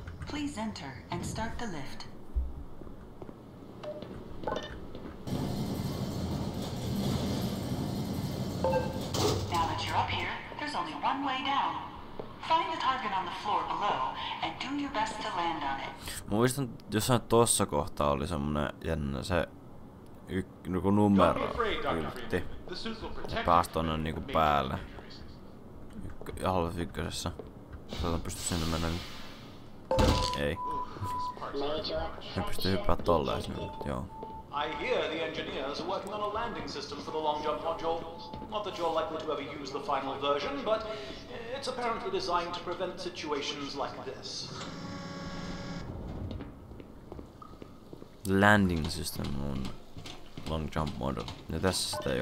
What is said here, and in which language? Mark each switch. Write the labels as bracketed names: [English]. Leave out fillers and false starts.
[English] Please enter and start the lift. Now that you're up here, there's only one way down. Find the target on the floor below and do your best to land on it. [Finnish] Muistan, jossain tossa kohtaa oli semmonen jännä se numero yltti. Pääsi tonne niinku päälle. Half-ykkösessä. Toivottavasti pystyt sinne mennä. Ei. Ne pystyy hyppää tolleen sinne, mutta joo. [English] I hear the engineers are working on a landing system for the long jump module. Not that you're likely to ever use the final version, but it's apparently designed to prevent situations like this. Landing system on long jump model. [Finnish] Ja tässä sitä ei